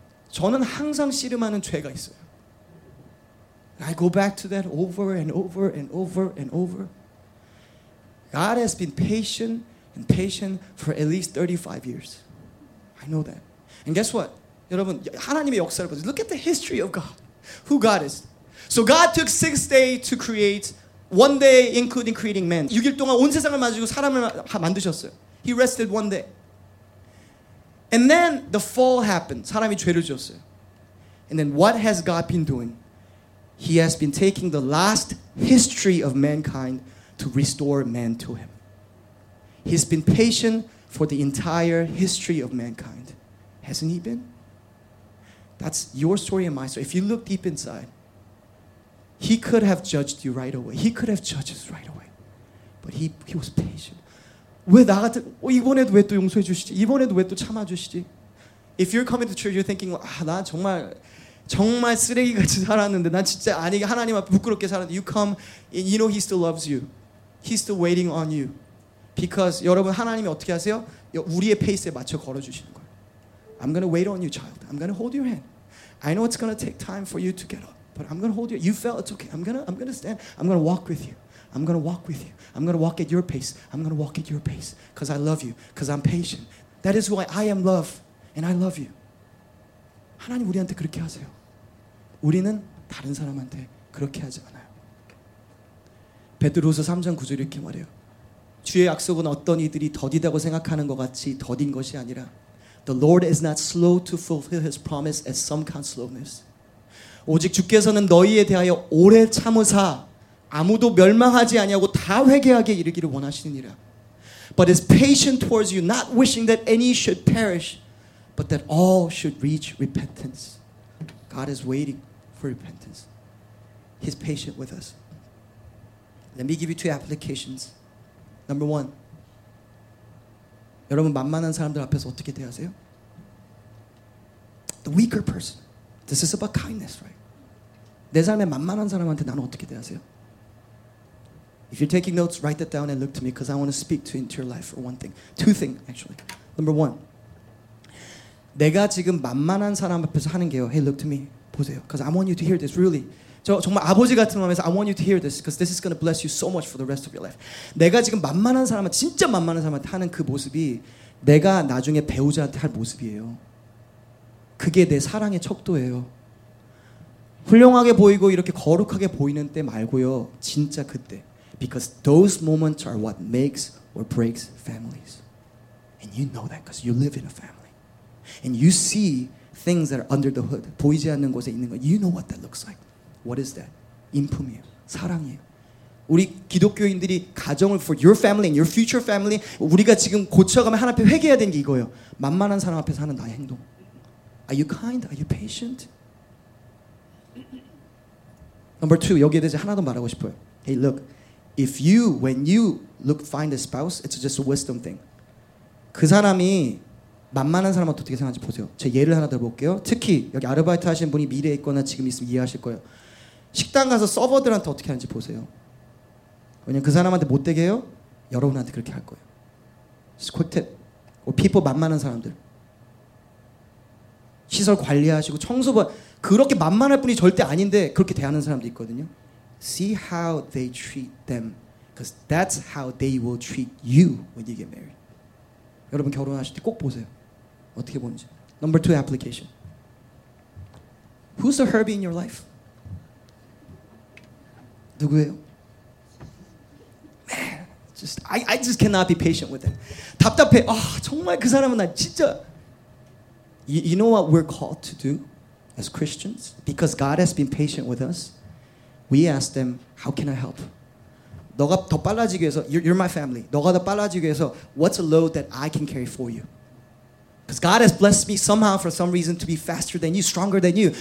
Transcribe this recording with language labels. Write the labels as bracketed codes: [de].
[ko] 저는 항상 씨름하는 죄가 있어요. [en] I go back to that over and over and over and over. God has been patient and patient for at least 35 years. I know that. And guess what? [ko] 여러분, 하나님의 역사를 보세요. [en] Look at the history of God. Who God is. So God took 6 days to create, one day including creating man. [ko] 6일 동안 온 세상을 만지고 사람을 만드셨어요. [en] He rested one day. And then the fall happened. [ko] 사람이 죄를 지었어요. [en] And then what has God been doing? He has been taking the last history of mankind to restore man to him. He's been patient for the entire history of mankind. Hasn't he been? That's your story and my story. If you look deep inside, he could have judged you right away. He could have judged us right away. But he was patient. [ko] 왜 나 같은, 이번에도 왜 또 용서해 주시지? 이번에도 왜 또 참아주시지? [en] If you're coming to church, you're thinking, [ko] 아, 나 정말... 정말 쓰레기같이 살았는데 난 진짜 아니 하나님 앞에 부끄럽게 살았는데 [en] you come and you know he still loves you. He's still waiting on you. Because [ko] 여러분 하나님이 어떻게 하세요? 우리의 페이스에 맞춰 걸어주시는 거예요. [en] I'm going to wait on you, child. I'm going to hold your hand. I know it's going to take time for you to get up. But I'm going to hold you. You fell, it's okay. I'm going to stand. I'm going to walk with you. I'm going to walk with you. I'm going to walk at your pace. I'm going to walk at your pace. Because I love you. Because I'm patient. That is why I am love. And I love you. [ko] 하나님 우리한테 그렇게 하세요. 우리는 다른 사람한테 그렇게 하지 않아요. 베드로서 3장 9절 이렇게 말해요. 주의 약속은 어떤 이들이 더디다고 생각하는 것 같이 더딘 것이 아니라 [en] The Lord is not slow to fulfill his promise as some count slowness. [ko] 오직 주께서는 너희에 대하여 오래 참으사 아무도 멸망하지 아니하고 다 회개하게 이르기를 원하시느니라. [en] But is patient towards you, not wishing that any should perish. But that all should reach repentance. God is waiting for repentance. He's patient with us. Let me give you two applications. Number one, [ko] 여러분 만만한 사람들 앞에서 어떻게 대하세요? [en] The weaker person. This is about kindness, right? [ko] 내 삶에 만만한 사람한테 나는 어떻게 대하세요? [en] If you're taking notes, write that down and look to me because I want to speak to you into your life for one thing. Two things, actually. Number one, [ko] 내가 지금 만만한 사람 앞에서 하는 게요. [en] Hey, look to me. [ko] 보세요. [en] Because I want you to hear this, really. [ko] 저 정말 아버지 같은 마음에서 [en] I want you to hear this. Because this is going to bless you so much for the rest of your life. [ko] 내가 지금 만만한 사람, 진짜 만만한 사람한테 하는 그 모습이 내가 나중에 배우자한테 할 모습이에요. 그게 내 사랑의 척도예요. 훌륭하게 보이고 이렇게 거룩하게 보이는 때 말고요. 진짜 그때. [en] Because those moments are what makes or breaks families. And you know that because you live in a family. And you see things that are under the hood. [ko] 보이지 않는 곳에 있는 것. [en] You know what that looks like. What is that? [ko] 인품이에요. 사랑이에요. 우리 기독교인들이 가정을 [en] for your family and your future family [ko] 우리가 지금 고쳐가면 하나님 앞에 회개해야 되는 게 이거예요. 만만한 사람 앞에서 하는 나의 행동. [en] Are you kind? Are you patient? Number two, [ko] 여기에 대해서 하나 더 말하고 싶어요. [en] Hey, look. If you, when you look find a spouse, it's just a wisdom thing. [ko] 그 사람이 만만한 사람한테 어떻게 생각하는지 보세요. 제 예를 하나 들어볼게요. 특히 여기 아르바이트 하시는 분이 미래에 있거나 지금 있으면 이해하실 거예요. 식당 가서 서버들한테 어떻게 하는지 보세요. 왜냐면 그 사람한테 못되게 해요? 여러분한테 그렇게 할 거예요. [en] Just quick tip. Or people, [ko] 만만한 사람들. 시설 관리하시고 청소부 그렇게 만만할 분이 절대 아닌데 그렇게 대하는 사람도 있거든요. [en] See how they treat them, because that's how they will treat you when you get married. [ko] 여러분 결혼하실 때 꼭 보세요. 어떻게 보는지. [en] Number two application. Who's the Herbie in your life? [ko] 누구예요? [en] Man, just I just cannot be patient with it. [ko] 답답해. 아 정말 그 사람은 나 진짜. [en] You know what we're called to do as Christians? Because God has been patient with us, we ask them, "How can I help?" [ko] 너가 더 빨라지기 위해서, [en] you're my family. 너가 더 빨라지기 위해서, what's a load that I can carry for you? Because God has blessed me somehow for some reason to be faster than you, stronger than you.